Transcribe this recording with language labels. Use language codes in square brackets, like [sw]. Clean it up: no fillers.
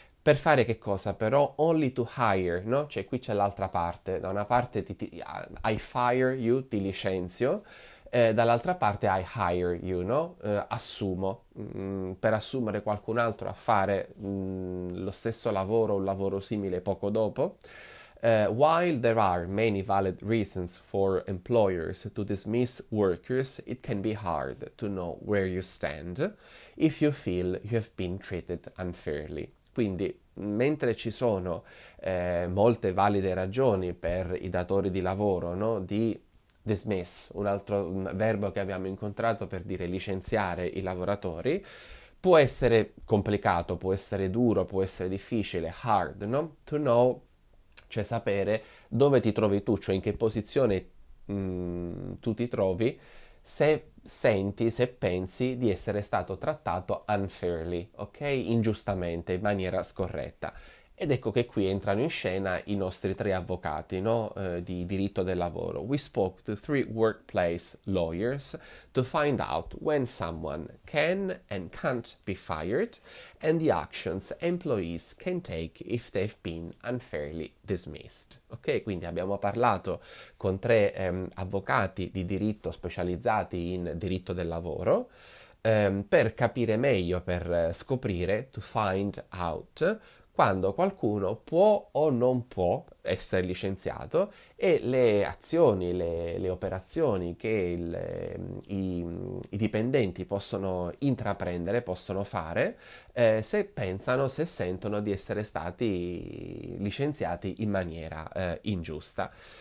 [it] Per fare che cosa? Però [en] only to hire, [it] no? Cioè qui c'è l'altra parte, da una parte [en] I fire you, [it] ti licenzio, dall'altra parte [en] I hire you, [it] no? Assumo, per assumere qualcun altro a fare lo stesso lavoro o un lavoro simile poco dopo. [en] While there are many valid reasons for employers to dismiss workers, it can be hard to know where you stand if you feel you have been treated unfairly. [it] Quindi, mentre ci sono molte valide ragioni per i datori di lavoro, no, di dismiss, un verbo che abbiamo incontrato per dire licenziare i lavoratori, può essere complicato, può essere duro, può essere difficile, hard, no? [en] To know, [it] cioè sapere dove ti trovi tu, cioè in che posizione tu ti trovi, se se pensi di essere stato trattato unfairly, ok? Ingiustamente, in maniera scorretta. Ed ecco che qui entrano in scena i nostri tre avvocati, no? Di diritto del lavoro. [en] We spoke to three workplace lawyers to find out when someone can and can't be fired and the actions employees can take if they've been unfairly dismissed. [it] Ok, quindi abbiamo parlato con tre avvocati di diritto specializzati in diritto del lavoro per capire meglio, per scoprire, [en] to find out. [it] Quando qualcuno può o non può essere licenziato e le azioni, le operazioni che i dipendenti possono intraprendere, possono fare, se pensano, se sentono di essere stati licenziati in maniera, ingiusta.